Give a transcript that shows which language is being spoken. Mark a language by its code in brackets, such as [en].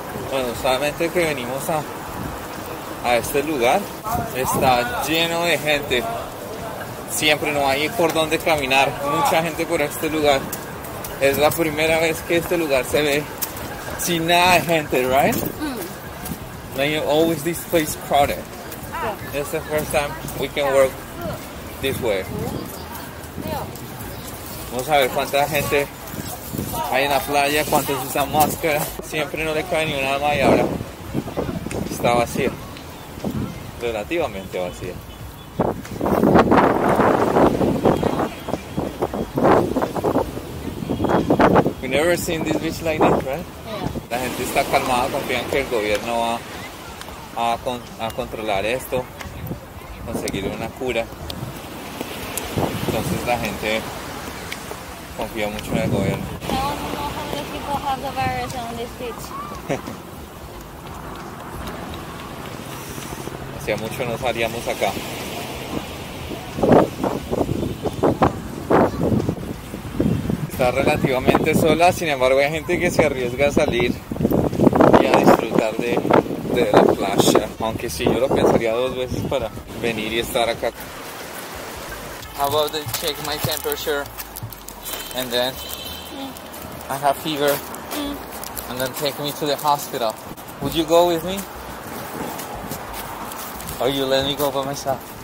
[es] Bueno, solamente que venimos a este lugar, está lleno de gente. Siempre no hay por dónde caminar. Mucha gente por este lugar. Es la primera vez que este lugar se ve sin nada de gente, right? [en] Like always this place crowded. It's the first time we can work this way. [es] Vamos a ver cuánta gente hay en la playa, cuántos usan máscara. Siempre no le cae ni un alma y ahora está vacía. Relativamente vacía. [en] We've never seen this beach like this, right? Yeah. [es] La gente está calmada, confían que el gobierno va a controlar esto, conseguir una cura. Entonces la gente confía mucho en el gobierno. [en] I don't know how many people have the virus on this beach. [es] Hacía mucho no salíamos acá. Está relativamente sola, sin embargo hay gente que se arriesga a salir y a disfrutar de la playa. Aunque sí, yo lo pensaría dos veces para venir y estar acá. [en] How about they check my temperature? And then I have fever and then take me to the hospital. Would you go with me? Or you let me go by myself?